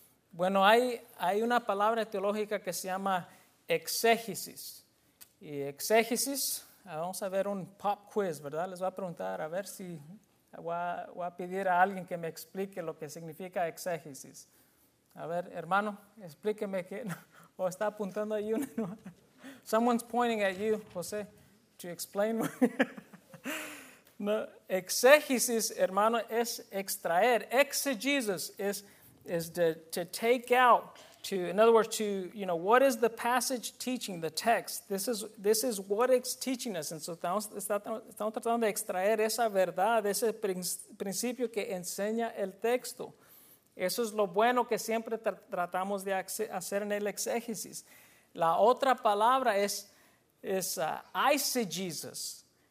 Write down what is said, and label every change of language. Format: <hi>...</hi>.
<es>Bueno, hay una palabra teológica que se llama exégesis. Y exégesis, vamos a ver un pop quiz, ¿verdad? Les voy a preguntar, a ver si voy a pedir a alguien que me explique lo que significa exégesis. A ver, hermano, explíqueme qué. O está apuntando ahí uno.</es> <en>Someone's pointing at you, José, to explain.</en> <es>No, exégesis, hermano, es extraer.</es> <en>Exegesis is to take out. To, in other words, to, you know, what is the passage teaching, the text? This is what it's teaching us. And so</en> <es>estamos tratando de extraer esa verdad, ese principio que enseña el texto. Eso es lo bueno que siempre tratamos de hacer en el exégesis. La otra palabra es eisegesis.</es>